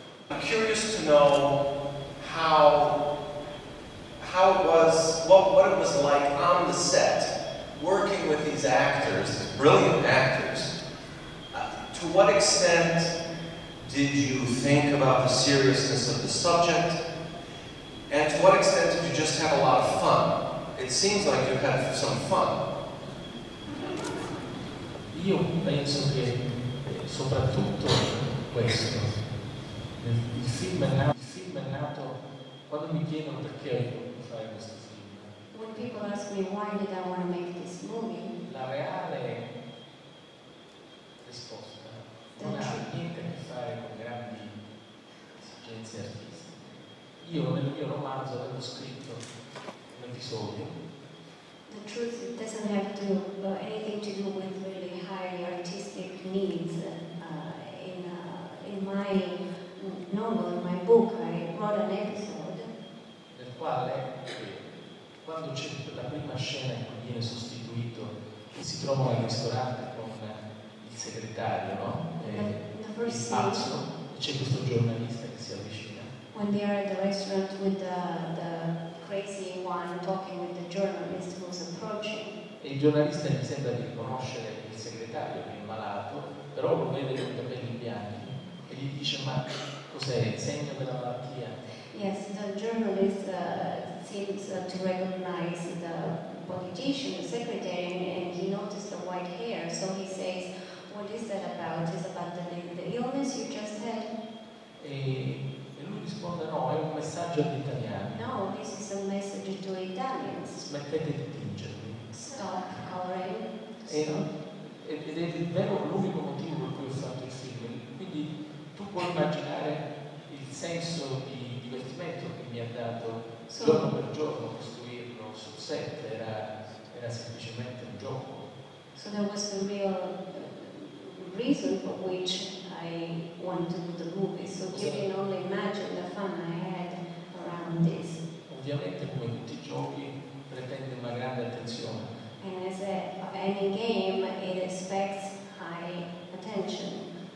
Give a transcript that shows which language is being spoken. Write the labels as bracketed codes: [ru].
[en] I'm curious to know how it was, what it was like on the set, working with these actors, brilliant actors. To what extent did you think about the seriousness of the subject, and to what extent did you just have a lot of fun? It seems like you had some fun. [it] Io penso che soprattutto questo, il film è nato quando mi chiedono perché fare questo film. [en] When people ask me why did I want to make this movie, [it] la reale risposta non ha niente a che fare con grandi esigenze artistiche. Io nel mio romanzo avevo scritto un episodio. [en] The truth doesn't have to anything to do with really high artistic needs. In my novel, in my book, I wrote an episode. [it] Nel quale, quando c'è la prima scena in cui viene sostituito, si trova al ristorante con il segretario, no? [en] The first scene. [it] C'è questo giornalista che si avvicina. [en] When they are at the restaurant with the crazy one talking with the journalist who's approaching. [it] E il giornalista mi sembra di conoscere il segretario che è malato, però lo vede con i capelli bianchi e gli dice: ma cos'è, il segno della malattia? [en] Yes, the journalist seems to recognize the politician, the secretary, and he noticed the white hair, so he says, what is that about? It's about the illness you just had. [it] E lui risponde: no, è un messaggio agli italiani. [en] No, this is a message to Italians. [it] Smettete di tingervi. [en] Stop coloring. [it] Ed è il vero l'unico motivo per cui ho fatto il film. Quindi tu puoi immaginare il senso di divertimento che mi ha dato giorno per giorno costruirlo sul set. Era semplicemente un gioco. [en] So that was the real reason for which I wanted to do the movie, so you can only imagine the fun I had around this. [it] Ovviamente, come tutti I giochi, pretende una grande attenzione. [en] And as any game, it expects high attention.